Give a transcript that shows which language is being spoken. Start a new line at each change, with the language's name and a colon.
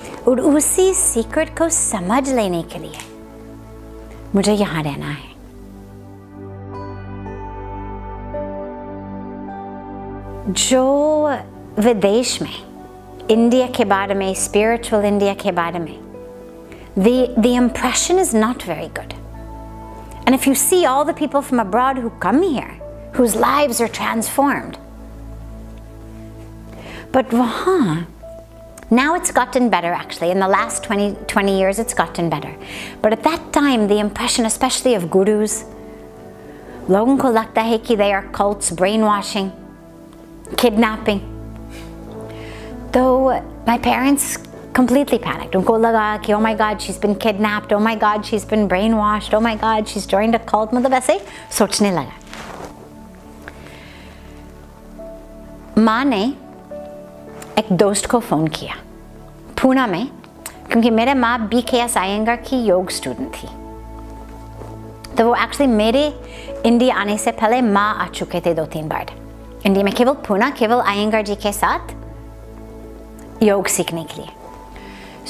Hindi: और उसी सीक्रेट को समझ लेने के लिए मुझे यहां रहना है। जो विदेश में इंडिया के बारे में, स्पिरिचुअल इंडिया के बारे में,
English: the impression is not very good. And if you see all the people from abroad who come here, whose lives are transformed, but वहाँ, now it's gotten better actually. In the last 20 years, it's gotten better. But at that time, the impression, especially of gurus,
Hindi: लोगों को लगता है कि
English: they are cults, brainwashing, kidnapping. तो my parents completely panicked.
Hindi: उनको लगा कि
English: oh my god, she's been kidnapped. Oh my god, she's been brainwashed. Oh my god, she's joined a cult.
Hindi: मतलब ऐसे सोचने लगा। माँ ने एक दोस्त को फोन किया पुणे में, क्योंकि मेरे माँ बी के एस आयंगर की योग स्टूडेंट थी। तो वो एक्चुअली मेरे इंडिया आने से पहले माँ आ चुके थे दो तीन बार इंडिया में, केवल पुणे केवल आयंगर जी के साथ योग सीखने के लिए।